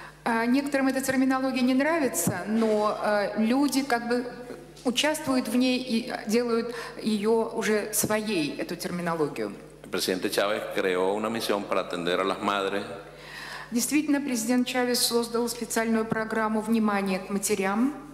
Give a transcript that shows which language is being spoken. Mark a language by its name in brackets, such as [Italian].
[Russian] Некоторым эта терминология не нравится, но люди как бы участвуют в ней и делают ее уже своей, эту терминологию. [Spanish] El presidente Chávez creó una misión para atender a las madres. [Russian] Действительно, президент Чавес создал специальную программу внимания к матерям.